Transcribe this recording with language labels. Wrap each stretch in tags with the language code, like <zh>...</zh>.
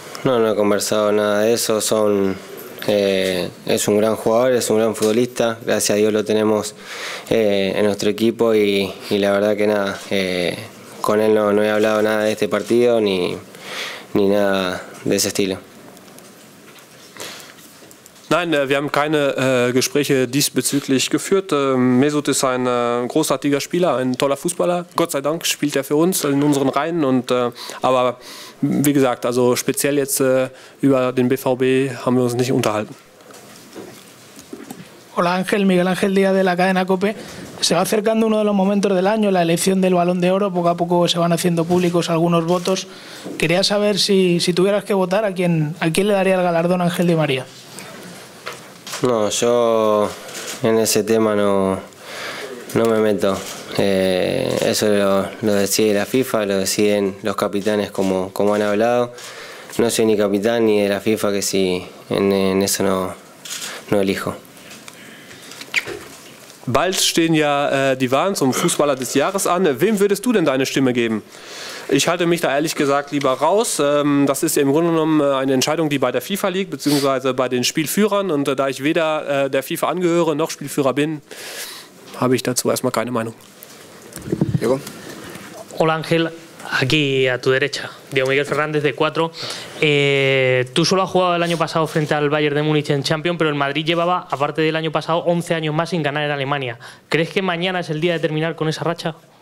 <es>No, no he conversado nada de eso. Son es un gran jugador, es un gran futbolista. Gracias a Dios lo tenemos en nuestro equipo y la verdad que nada, con él no he hablado nada de este partido ni nada de ese estilo.</es> <de>Nein, wir haben keine Gespräche diesbezüglich geführt. Mesut ist ein großartiger Spieler, ein toller Fußballer. Gott sei Dank spielt er für uns in unseren Reihen. Aber wie gesagt, also speziell jetzt über den BVB haben wir uns nicht unterhalten.</de> <es>Hola Ángel, Miguel Ángel Díaz de la cadena COPE. Se va acercando uno de los momentos del año, la elección del Balón de Oro. Poco a poco se van haciendo públicos algunos votos. Quería saber si tuvieras que votar, ¿a quién le daría el galardón Ángel Di María? No, yo en ese tema no me meto. Eso lo decide la FIFA, lo deciden los capitanes como han hablado. No soy ni capitán ni de la FIFA, que si en eso no elijo.</es> <de>Bald stehen ja die Wahlen zum Fußballer des Jahres an. Wem würdest du denn deine Stimme geben? Ich halte mich da ehrlich gesagt lieber raus. Das ist ja im Grunde genommen eine Entscheidung, die bei der FIFA liegt, beziehungsweise bei den Spielführern. Und da ich weder der FIFA angehöre noch Spielführer bin, habe ich dazu erstmal keine Meinung.</de> <es>Diego. Hola Ángel, aquí a tu derecha. Diego Miguel Fernández de Cuatro. Tú solo has jugado el año pasado frente al Bayern de Múnich en Champions, pero el Madrid llevaba, aparte del año pasado, 11 años más sin ganar en Alemania. ¿Crees que mañana es el día de terminar con esa racha?</es>